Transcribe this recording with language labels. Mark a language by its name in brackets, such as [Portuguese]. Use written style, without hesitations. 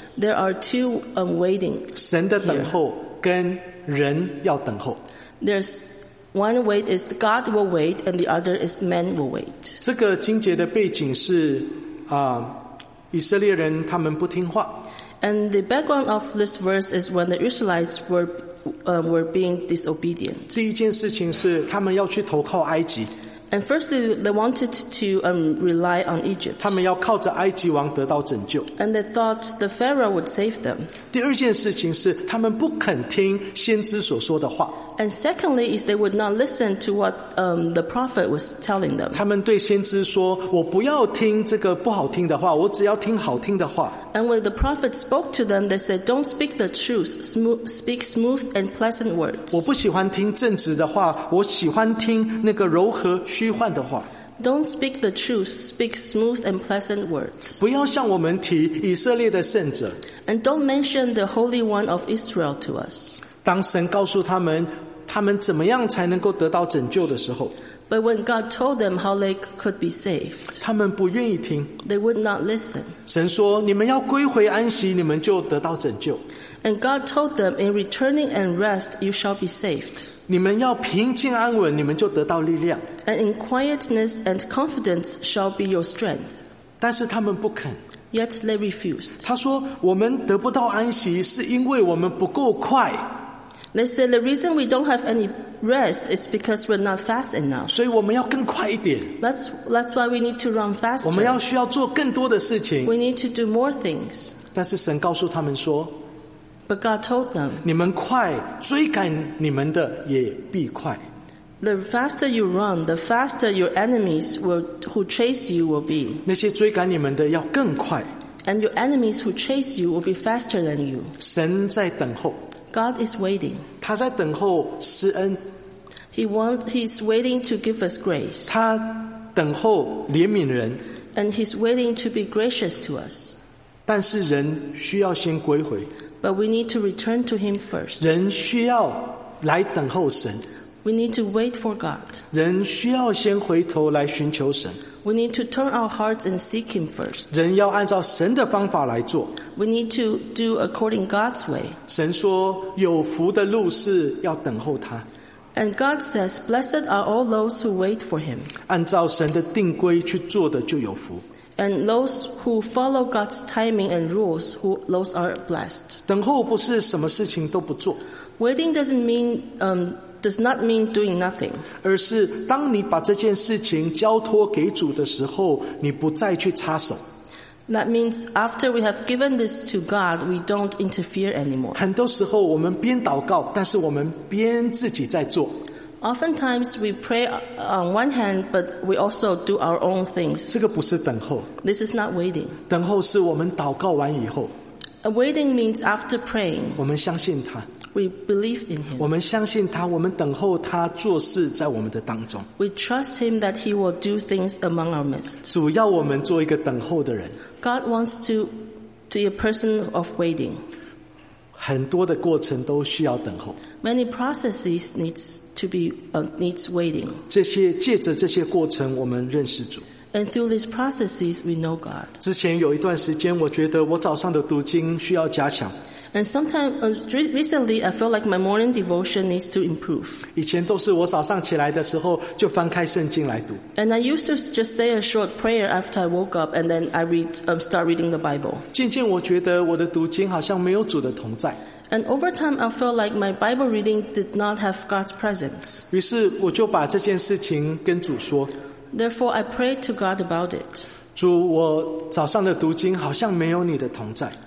[English] There are two waiting. [Chinese] 神的等候跟人要等候。 [English] There's One wait is God will wait, and the other is man will wait. [Chinese] 这个经节的背景是以色列人他们不听话。 [English] And the background of this verse is when the Israelites were being disobedient. [Chinese] 第一件事情是他们要去投靠埃及。 [English] And firstly, they wanted to rely on Egypt. [Chinese] 他们要靠着埃及王得到拯救。 [English] And they thought the Pharaoh would save them. [Chinese] 第二件事情是他们不肯听先知所说的话。 [English] And secondly, is they would not listen to what the prophet was telling them. [Chinese] 他们对先知说，我不要听这个不好听的话，我只要听好听的话。 [English] And when the prophet spoke to them, they said, "Don't speak the truth. Speak smooth and pleasant words." [Chinese] 我不喜欢听正直的话，我喜欢听那个柔和虚幻的话。 [English] Don't speak the truth. Speak smooth and pleasant words. [Chinese] 不要向我们提以色列的圣者。 [English] And don't mention the Holy One of Israel to us. [Chinese] 当神告诉他们，他们怎么样才能够得到拯救的时候 [English] ，But when God told them how they could be saved， [Chinese] 他们不愿意听 [English] ，They would not listen。 [Chinese] 神说，你们要归回安息，你们就得到拯救 [English] ；And God told them, in returning and rest, you shall be saved。 [Chinese] 你们要平静安稳，你们就得到力量 [English] ；And in quietness and confidence shall be your strength。 [Chinese] 但是他们不肯 [English] ，Yet they refused。 [Chinese] 他说，我们得不到安息，是因为我们不够快。 [English] They say the reason we don't have any rest is because we're not fast enough. [Chinese] 所以我们要更快一点。 [English] That's why we need to run faster. [Chinese] 我们要需要做更多的事情。 [English] We need to do more things. [Chinese] 但是神告诉他们说 [English] ，But God told them, [Chinese] 你们快，追赶你们的也必快。 [English] The faster you run, the faster your enemies who chase you will be. [Chinese] 那些追赶你们的要更快。 [English] And your enemies who chase you will be faster than you. [Chinese] 神在等候。 [English] God is waiting. [Chinese] 他在等候施恩。 [English] He's waiting to give us grace. [Chinese] 他等候怜悯人。 [English] And he's waiting to be gracious to us. [Chinese] 但是人需要先归回。 [English] But we need to return to him first. [Chinese] 人需要来等候神。 [English] We need to wait for God. [Chinese] 人需要先回头来寻求神。 [English] We need to turn our hearts and seek him first. [Chinese] 人要按照神的方法来做。 [English] We need to do according God's way. [Chinese] 神说，有福的路是要等候他。 [English] And God says, blessed are all those who wait for him. [Chinese] 按照神的定规去做的就有福。 [English] And those who follow God's timing and rules, those are blessed. [Chinese] 等候不是什么事情都不做。 [English] Waiting doesn't mean, does not mean doing nothing. [Chinese] 而是当你把这件事情交托给主的时候，你不再去插手。 [English] That means after we have given this to God, we don't interfere anymore. [Chinese] 很多时候我们边祷告，但是我们边自己在做。 [English] Oftentimes we pray on one hand, but we also do our own things. [Chinese] 这个不是等候。 [English] This is not waiting. [Chinese] 等候是我们祷告完以后。 [English] Waiting means after praying. [Chinese] 我们相信他。 [English] We believe in him. [Chinese] 我们相信他，我们等候他做事在我们的当中。 [English] We trust him that he will do things among our midst. [Chinese] 主要我们做一个等候的人。 [English] God wants to be a person of waiting. [Chinese] 很多的过程都需要等候。 [English] Many processes needs waiting. [Chinese] 这些借着这些过程，我们认识主。 [English] And through these processes, we know God. [Chinese] 之前有一段时间，我觉得我早上的读经需要加强。 [English] And sometimes, recently, I feel like my morning devotion needs to improve. [Chinese] 以前都是我早上起来的时候就翻开圣经来读。 [English] And I used to just say a short prayer after I woke up, and then I start reading the Bible. [Chinese] 渐渐我觉得我的读经好像没有主的同在。 [English] And over time, I felt like my Bible reading did not have God's presence. [Chinese] 于是我就把这件事情跟主说。 [English] Therefore, I prayed to God about it. [Chinese] 主，我早上的读经好像没有你的同在。